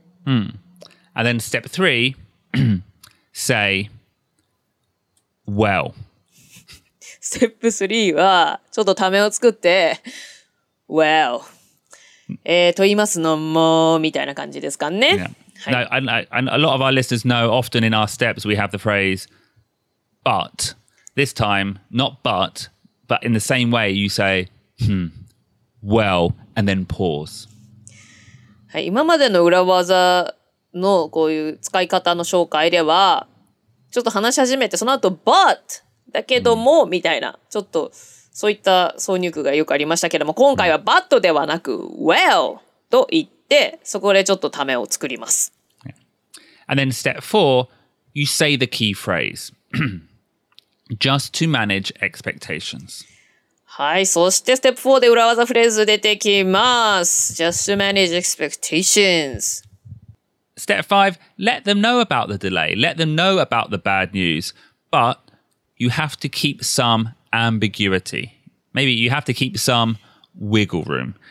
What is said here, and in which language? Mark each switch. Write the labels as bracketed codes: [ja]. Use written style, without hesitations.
[en] うん。And then step three, say, well. [ja] ステップ3は、ちょっとためを作って、Well、と言いますのも、みたいな感じですかね。 [en] Yeah. はい、Now, and a lot of our listeners know often in our steps we have the phrase, but, this time, not but, but in the same way you say, well, and then pause.、 [ja] はい、今までの裏技のこういう使い方の紹介では、ちょっと話し始めて、その後、but、だけども、mm. みたいな、ちょっとそういった挿入句がよくありましたけども、今回は but ではなく well と言って、そこでちょっとためを作ります。 [en] And then step four, you say the key phrase. Just to manage expectations. [ja] はい、そしてステップ4で裏技フレーズ出てきます。 [en] Just to manage expectations. Step five, let them know about the delay. Let them know about the bad news. But,You have to keep some ambiguity. Maybe you have to keep some wiggle room.